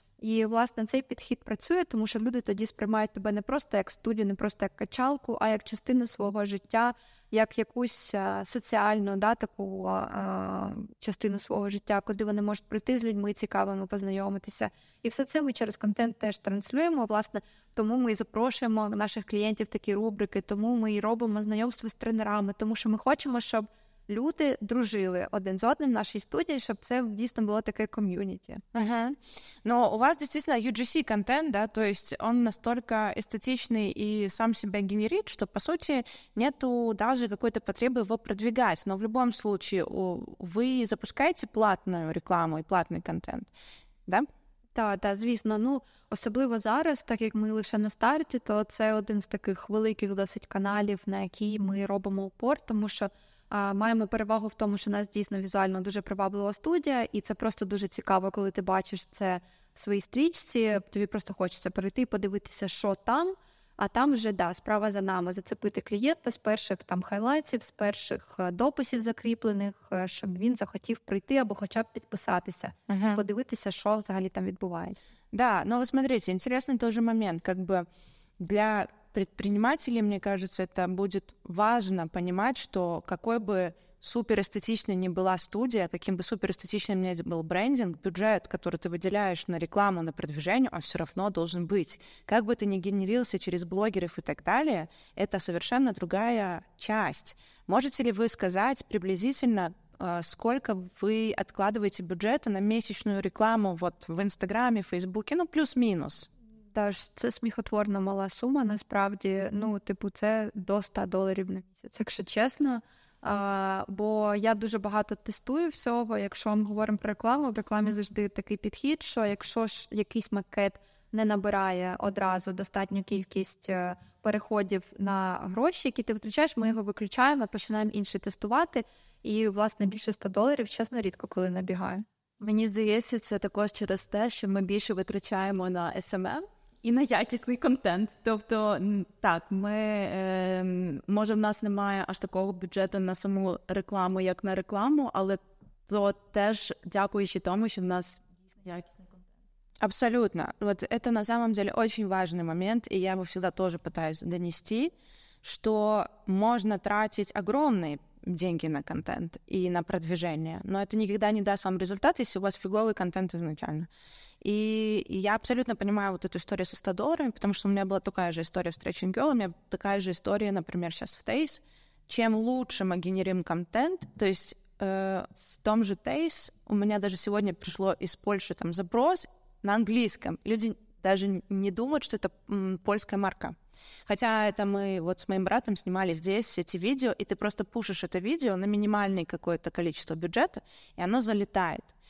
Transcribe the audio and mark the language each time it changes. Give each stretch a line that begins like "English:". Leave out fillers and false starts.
Ukrainian: І, власне, цей підхід працює, тому що люди тоді сприймають тебе не просто як студію, не просто як качалку, а як частину свого життя, як якусь соціальну, да, таку частину свого життя, куди вони можуть прийти з людьми цікавими, познайомитися. І все це ми через контент теж транслюємо, власне, тому ми і запрошуємо наших клієнтів такі рубрики, тому ми і робимо знайомство з тренерами, тому що ми хочемо, щоб люди дружили один з одним в нашій студії, щоб це дійсно було таке ком'юніті. Ага.
Russian: Ну, у вас, дійсно, UGC-контент, да, то есть он настолько эстетичный и сам себя генерит, что, по сути, нету даже какой-то потребы его продвигать. Но в любом случае вы запускаете платную рекламу и платный контент, да?
Ukrainian: Та, звісно. Ну, особливо зараз, так як ми лише на старті, то це один з таких великих досить каналів, на який ми робимо упор, тому що маємо перевагу в тому, що нас дійсно візуально дуже приваблива студія, і це просто дуже цікаво, коли ти бачиш це в своїй стрічці, тобі просто хочеться перейти і подивитися, що там, а там вже, да, справа за нами, зацепити клієнта з перших там хайлайтів, з перших дописів закріплених, щоб він захотів прийти або хоча б підписатися, подивитися, що взагалі там відбувається.
Russian: Да,
Ukrainian: ну ви
Russian: смотрите, інтересний той же момент, як би для предпринимателей, мне кажется, это будет важно понимать, что какой бы суперэстетичной ни была студия, каким бы суперэстетичным ни был брендинг, бюджет, который ты выделяешь на рекламу, на продвижение, он все равно должен быть. Как бы ты ни генерился через блогеров и так далее, это совершенно другая часть. Можете ли вы сказать приблизительно, сколько вы откладываете бюджета на месячную рекламу вот в Инстаграме, в Фейсбуке, ну плюс-минус?
Ukrainian: Та ж, це сміхотворно мала сума, насправді, ну, типу, це до $100 на місяць, якщо чесно, бо я дуже багато тестую всього, якщо ми говоримо про рекламу, в рекламі завжди такий підхід, що якщо ж якийсь макет не набирає одразу достатню кількість переходів на гроші, які ти витрачаєш, ми його виключаємо, починаємо інше тестувати, і, власне, більше $100, чесно, рідко коли набігає. Мені здається, це також через те, що ми більше витрачаємо на SMM і на якісний контент. Тобто, так, ми, може, в нас немає аж такого бюджету на саму рекламу, як на рекламу, але то теж дякуючи тому, що в нас якісний контент. Абсолютно.
Russian: Вот это на самом деле очень важный момент, и я его всегда тоже пытаюсь донести, что можно тратить огромные деньги на контент и на продвижение. Но это никогда не даст вам результат, если у вас фиговый контент изначально. И я абсолютно понимаю вот эту историю со $100, потому что у меня была такая же история в Stretching Girl, у меня такая же история, например, сейчас в Taze. Чем лучше мы генерим контент, то есть в том же Taze у меня даже сегодня пришло из Польши там запрос на английском. Люди даже не думают, что это польская марка. Хотя это мы вот с моим братом снимали здесь эти видео, и ты просто пушишь это видео на минимальное какое-то количество бюджета, и оно залетает.